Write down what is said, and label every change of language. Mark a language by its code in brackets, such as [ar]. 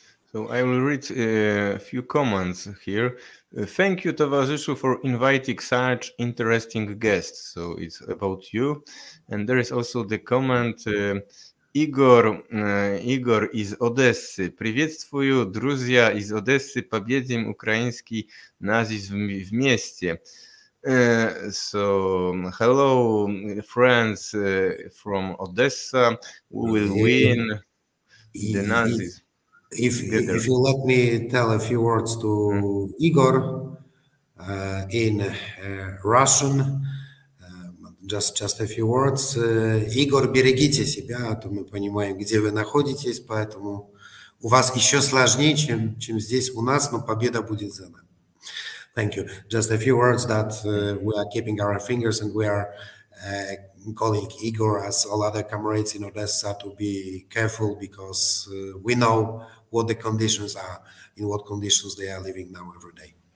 [en] So I will read a few comments here. Thank you, towarzyszu, for inviting such interesting guests. So it's about you. And there is also the comment, Igor is Odessy. [ru] Приветствую, друзья из Одессы. Победим украинский нацизм вместе. [en] So hello, friends from Odessa. We will win the Nazis. If you let me tell a few words to Igor in Russian, just a few words. [ru] Igor, берегите себя, а то мы понимаем, где вы находитесь, поэтому у вас еще сложнее, чем здесь у нас, но победа будет за нами. [en] Thank you. Just a few words that we are keeping our fingers and we are calling Igor as all other comrades in Odessa to be careful because we know what the conditions are, in what conditions they are living now every day.